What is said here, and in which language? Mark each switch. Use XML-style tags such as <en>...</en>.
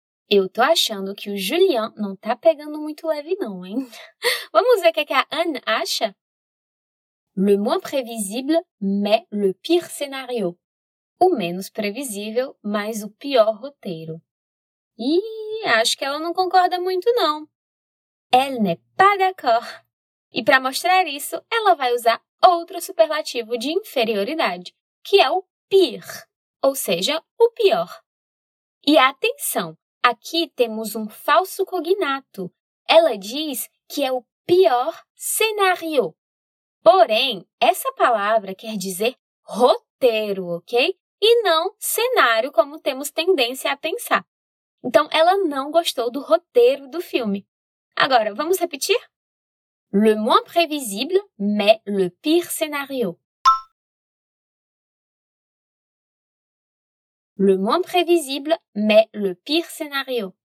<pt>Eu tô achando que o Julien não tá pegando muito leve não, hein? Vamos ver o que a Anne acha?</pt> <fr>Le moins prévisible, mais le pire scénario.</fr> <pt>O menos previsível, mas o pior roteiro. Ih, acho que ela não concorda muito, não.</pt> <fr>Elle n'est pas d'accord.</fr> <pt>E para mostrar isso, ela vai usar outro superlativo de inferioridade, que é o pire, ou seja, o pior. E atenção, aqui temos um falso cognato. Ela diz que é o pior cenário. Porém, essa palavra quer dizer roteiro, ok? E não cenário, como temos tendência a pensar. Então, ela não gostou do roteiro do filme. Agora, vamos repetir?</pt> <fr>Le moins prévisible, mais le pire scénario. Le moins prévisible, mais le pire scénario.</fr>